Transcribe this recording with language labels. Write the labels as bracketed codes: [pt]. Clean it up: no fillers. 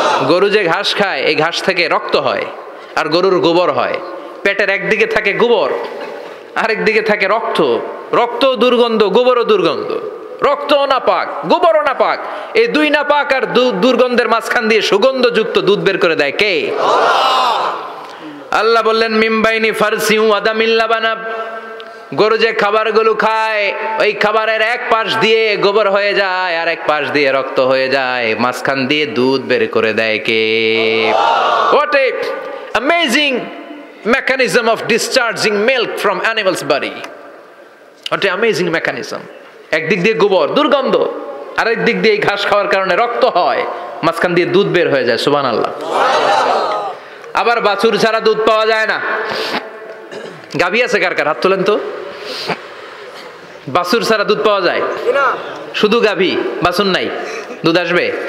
[bn] গরু যে ঘাস খায় এই ঘাস থেকে রক্ত হয় আর গরুর গোবর হয়, পেটের একদিকে থাকে গোবর আরেক দিকে থাকে রক্ত, রক্ত দুর্গন্ধ, গোবরও দুর্গন্ধ, রক্ত নাপাক, গোবর নাপাক, এই দুই নাপাক আর দুর্গন্ধের মাঝখান দিয়ে সুগন্ধযুক্ত দুধ বের করে দেয় কে? আল্লাহ বললেন [ar] মিম্বাইনি ফারসি ওয়া দামিল লাবানা, [bn] গরু যে খাবারগুলো খায় ওই খাবারের এক পাশ দিয়ে গোবর হয়ে যায় আর এক পাশ দিয়ে রক্ত হয়ে যায়, মাঝখান দিয়ে দুধ বের করে দেয় কে? [en] What a amazing mechanism of discharging milk from animal's body. What a amazing mechanism. [bn] একদিক দিয়ে গোবর দুর্গন্ধ, আরেক দিক দিয়ে এই ঘাস খাওয়ার কারণে রক্ত হয়, মাঝখান দিয়ে দুধ বের হয়ে যায়। সুবহানাল্লাহ। আবার বাছুর ছাড়া দুধ পাওয়া যায় না। গাবি আছে কার কার, হাত তোলেন তো। বাছুর ছাড়া দুধ পাওয়া যায় না, শুধু গাবি, বাছুর নাই, দুধ আসবে?